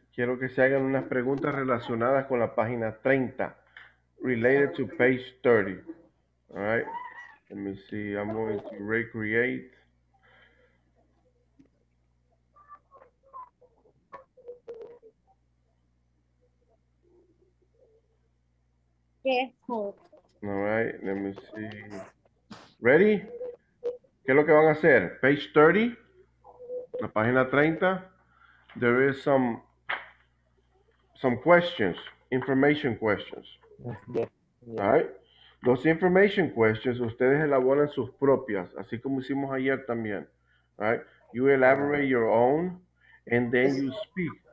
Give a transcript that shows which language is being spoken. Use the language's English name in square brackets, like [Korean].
[Spanish] Quiero que se hagan unas preguntas relacionadas con la página 30, [English] related to page 30. All right, let me see, I'm going to recreate. All right, let me see. Ready? [Spanish] ¿Qué es lo que van a hacer? [English] Page 30, [Spanish] la página 30. [English] There is some questions, information questions. Yeah. All right. [Spanish] Los information questions, ustedes elaboran sus propias, así como hicimos ayer también, right? [English] You elaborate your own, and then you speak.